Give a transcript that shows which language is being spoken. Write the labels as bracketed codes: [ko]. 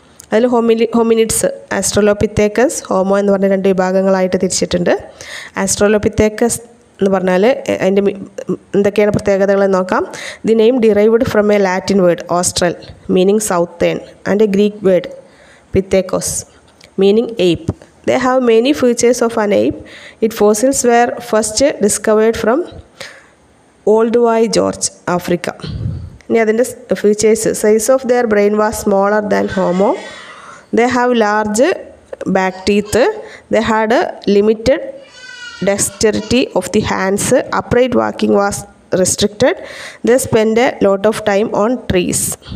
[ml] അതിൽ hominids Australopithecus homo എന്ന് പറഞ്ഞ രണ്ട് വിഭാഗങ്ങളായിട്ട് തിരിച്ചിട്ടുണ്ട്. ആസ്ട്രലോപിത്തേക്കസ് എന്ന് പറഞ്ഞാൽ അതിൻ്റെ എന്തൊക്കെയാണ് പ്രത്യേകതകൾ നോക്കാം. [en] The name derived from a Latin word austral meaning southern and a Greek word pithekos meaning ape. They have many features of an ape. Its fossils were first discovered from Old Y George, Africa. [ml] ഇനി അതിൻ്റെ [en] Features: size of their brain was smaller than Homo. They have large back teeth. They had limited dexterity of the hands. Upright walking was restricted. They spend a lot of time on trees.